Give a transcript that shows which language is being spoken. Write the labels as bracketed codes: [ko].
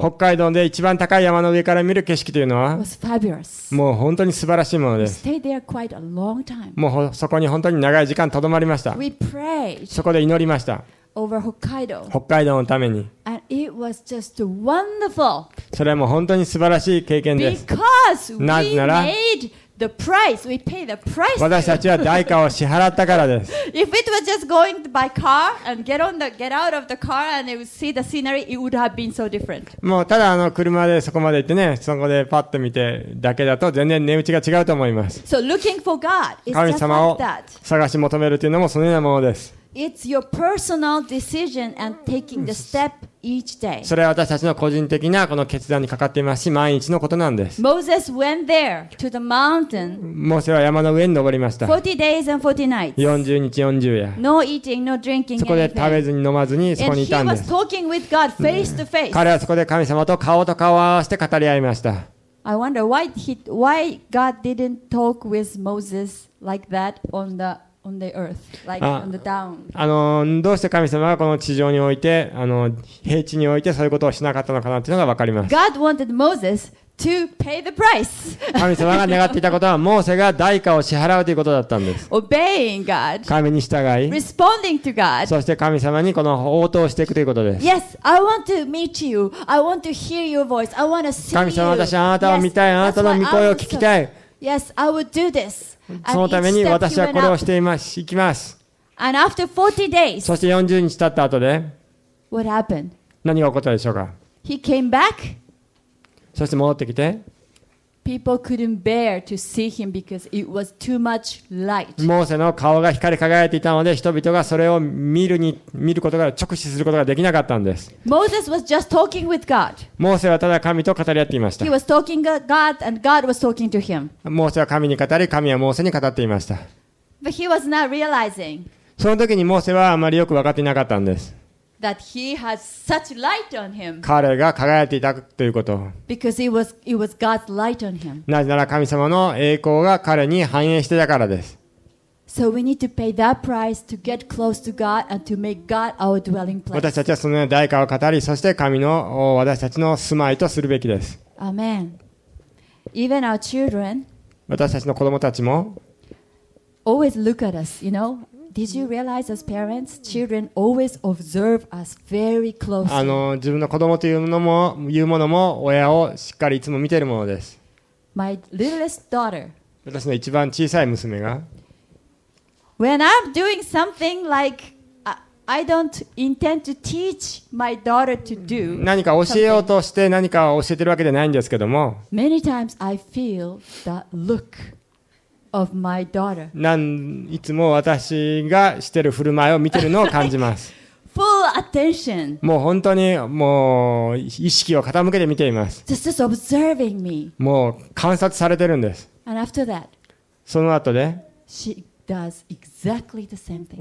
[ja] 北海道で一番高い山の上から見る景色というのは [en] was fabulous. [ja] もう本当に素晴らしいものです。 [en] We stayed there quite a long time. [ja] もうそこに本当に長い時間とどまりました。 [en] We prayed. [ja] そこで祈りました。 [en] Over Hokkaido. [ja] 北海道のために。 [en] And it was just wonderful. [ja] それも本当に素晴らしい経験です。 [en] Because we made the price. We paid the price. We paid the price. [ja] 私たちは代価を支払ったからです。 [en] If it was just going by car and get out of the car and see the scenery, it would have been so different. [ja] もうただあの車でそこまで行ってね、そこでパッと見てだけだと全然値打ちが違うと思います。 [en] So looking for God is just like that. [ja] 神様を探し求めるというのもそのようなものです。 [en] It's your personal decision and taking the step each day. [ja] それは私たちの個人的なこの決断にかかっていますし、毎日のことなんです。 [en] Moses went there to the mountain. [ja] モーセは山の上に登りました。 [en] 40 days and 40 nights. [ja] 40日40夜。 [en] No eating, no drinking. [ja] そこで食べずに飲まずにそこにいたんです。 [en] And he was talking with God face to face. [ja] 彼はそこで神様と顔と顔を合わせて語り合いました。 [en] I wonder why God didn't talk with Moses like that on theOn the earth, like on the down. [ja] どうして神様はこの地上においてあの平地においてそういうことをしなかったのかなというのが分かります。 [en] God wanted Moses to pay the price. [ja] 神様が願っていたことはモーセが代価を支払うということだったんです。 [en] Obeying God. [ja] 神に従い。 [en] Responding to God. [ja] そして神様にこの応答していくということです。 [en] Yes, I want to meet you. I want to hear your voice. I want to see you. [ja] 神様、私あなたを見たい。あなたの御声を聞きたい。 [en] Yes, I would do this. [ja] そのために私はこれをしていま行きます。 [en] And after 40 days, [ja] そして40日経った後で、 [en] what happened? [ja] 何が起こったでしょうか。 [en] He came back. [ja] そして戻ってきて、 [en] people couldn't bear to see him because it was too much light. [ja] モーセの顔が光り輝いていたので、人々がそれを見ることが直視することができなかったんです。 [en] Moses was just talking with God. [ja] モーセはただ神と語り合っていました。 [en] He was talking to God and God was talking to him. [ja] モーセは神に語り、神はモーセに語っていました。 [en] But he was not realizing. [ja] その時にモーセはあまりよく分かっていなかったんです。 [en] That he has such light on him. [ja] 彼が輝いていたということ。 [en] Because it was God's light on him. [ja] なぜなら神様の栄光が彼に反映していたからです。 [en] So we need to pay that price to get close to God and to make God our dwelling place. [ja] 私たちはそのような代価を語り、そして神の私たちの住まいとするべきです。 [en] Amen. Even our children. [ja] 私たちの子供たちも。 [en] Always look at us, you know. Did you realize as parents, children always observe us very closely? [ja] 自分の子供というものも親をしっかりいつも見ているものです。 [en] My littlest daughter. [ja] 私の一番小さい娘が。 [en] When I'm doing something like, I don't intend to teach my daughter to do something. [ja] 何か教えようとして何か教えてるわけじゃないんですけども。 [en] Many times I feel the look of my daughter. [ja] いつも私がしてる振る舞いを見てるのを感じます。 [en] Full attention. [ja] もう本当にもう意識を傾けて見ています。 [en] Just observing me. [ja] もう観察されてるんです。 [en] And after that, [ja] その後で、 [en] she does exactly the same thing.